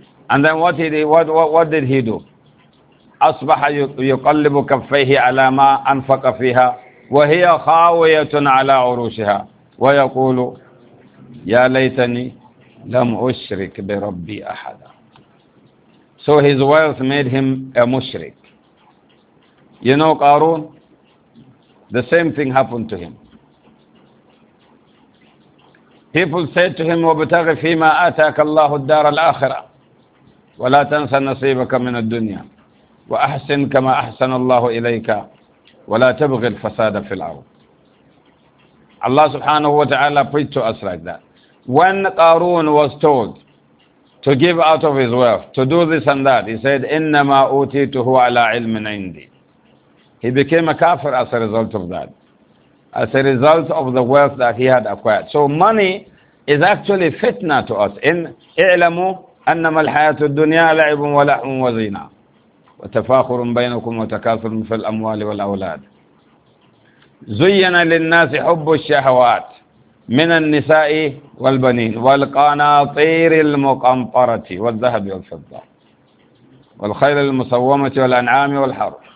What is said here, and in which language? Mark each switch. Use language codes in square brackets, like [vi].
[en] And then what did he do? [ar] أَصْبَحَ يُقَلِّبُ كَفَّيْهِ عَلَى مَا أَنْفَقَ فِيهَا وَهِيَ خَاوِيَةٌ عَلَى عُرُوشِهَا وَيَقُولُ يَا لَيْتَنِي لَمْ أُشْرِكْ بِرَبِّي أَحَدًا. [en] So his wealth made him a mushrik. You know Qarun, the same thing happened to him. People said to him, [ar] وَبْتَغِ فِي مَا آتَاكَ اللَّهُ الدَّارَ الْآخِرَةِ وَلَا تَنْسَ نَصِيبَكَ مِنَ الدُّنْيَا وَأَحْسِنْ كَمَا أَحْسَنَ اللَّهُ إِلَيْكَ وَلَا تَبْغِ الْفَسَادَ فِي الْأَرْضِ. [en] Allah subhanahu wa ta'ala preached to us like that. When Qarun was told to give out of his wealth, to do this and that, he said, [ar] إِنَّمَا أُوتِيتُهُ عَلَىٰ عِلْمٍ عِنْدِي. [en] He became a kafir as a result of that, as a result of the wealth that he had acquired. So money is actually fitna to us. In [ar] اعلموا أنما الحياة الدنيا لعب ولحم وزينة وتفاخر بينكم وتكاثر في الأموال والأولاد زين للناس حب الشهوات من النساء والبنين والقناطير المقنطرة والذهب والفضة والخيل المسومة والأنعام والحرث.